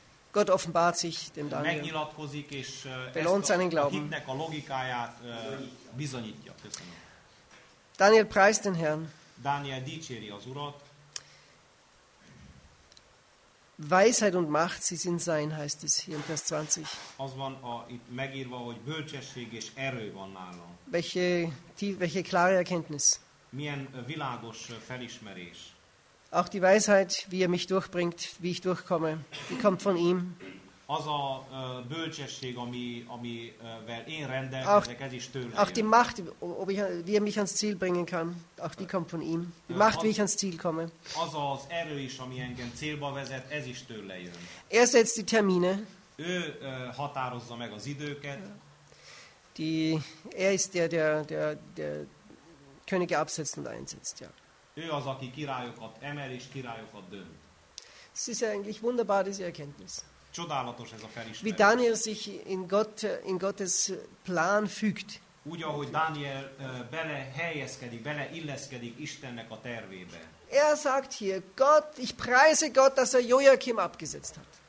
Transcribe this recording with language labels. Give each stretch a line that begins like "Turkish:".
German: Gott offenbart sich dem Daniel.
Hungarian: Megnyilatkozik és
German: belohnt seinen Glauben.
Hungarian: Hitnek a logikáját bizonyítja.
German: Daniel preist den Herrn.
Hungarian: Daniel dicséri az Urat.
German: Weisheit und Macht, sie sind sein, heißt es hier in Vers 20.
Hungarian: Az van itt megírva, hogy bölcsesség és erő van nála.
German: Welche klare Erkenntnis.
Hungarian: Milyen világos felismerés.
German: Auch die Weisheit, wie er mich durchbringt, wie ich durchkomme, die kommt von ihm.
Hungarian: Az a bölcsesség, amivel én rendelkezek, ez is tőle.
German: Auch die Macht, wie er mich ans Ziel bringen kann, auch die kommt von ihm. Die Macht, wie ich ans Ziel komme.
Hungarian: Az az erő is, ami engem célba vezet, ez is tőle jön.
German: Er setzt die Termine.
Hungarian: Ő határozza meg az időket.
German: Er ist der Könige absetzt und einsetzt, ja.
Hungarian: Ő az, aki királyokat emel és királyokat dönt.
German: Es ist eigentlich wunderbar, diese Erkenntnis.
Hungarian: Csodálatos ez a felismerés.
German: Wie Daniel sich in Gottes Plan fügt.
Hungarian: Úgy, ahogy Daniel belehelyezkedik, beleilleszkedik Istennek a tervébe.
German: Er sagt hier, Gott, ich preise Gott, dass er Joachim abgesetzt hat.